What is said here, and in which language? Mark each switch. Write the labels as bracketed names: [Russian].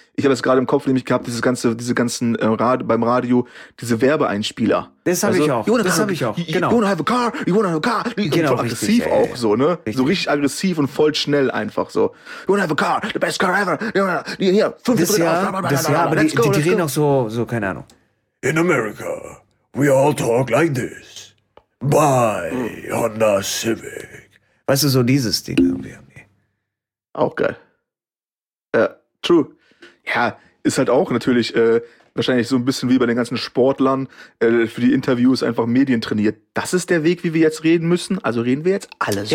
[German] Ich habe das gerade im Kopf nämlich gehabt, beim Radio, diese Werbeeinspieler. Das habe ich auch. Das habe ich auch. Genau. [English] You wanna have a car? You wanna have a car? [German] Genau, voll aggressiv richtig, auch so, ne? Richtig. So richtig aggressiv und voll schnell einfach so. [English] You wanna have a car? The best car ever. You wanna, hier, [German] 5 Drittel. Das ja, aber [English] let's go, [German] die reden auch so, keine Ahnung. [English] In America, we all talk like this. Buy Honda Civic. [German] Weißt du, so dieses Ding irgendwie. Auch geil. Ja, true. Ja, ist halt auch natürlich wahrscheinlich so ein bisschen wie bei den ganzen Sportlern für die Interviews einfach Medien trainiert. Das ist der Weg, wie wir jetzt reden müssen. Also reden wir jetzt alle so.